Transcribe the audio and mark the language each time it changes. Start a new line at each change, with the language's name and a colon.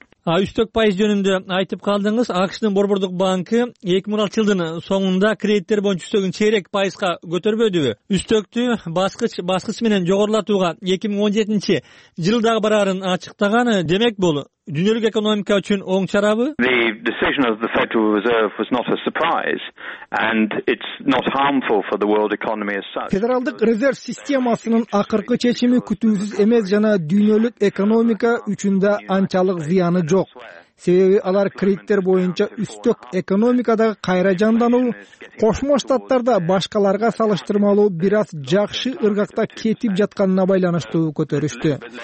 Kyrgyz: Үстөк пайыз жөнүндө айтып калдыңыз. АКШнын борбордук банкы 2016 жылдын соңунда кредиттер боюнча үстөгүн чейрек пайызга көтөрбөдүбү? Үстөктү баскыч менен жогорулатууга 2017 жылдагы барарын ачыктаган. Демек бул дүйнөлүк экономика үчүн оң чарабы?
English: The decision of the Federal Reserve was not a surprise and it's not harmful for the world economy as such.
Kyrgyz: Федералдык резерв системасынын акыркы чечими күтүүсүз эмес жана дүйнөлүк экономика үчүн да анчалык зыяны жок. Себеби алар кредиттер боюнча үстөк экономикадагы кайра жандануу, Кошмо Штаттарда башкаларга салыштырмалуу бир аз жакшы ыргакта кетип жатканына байланыштуу көтөрүштү.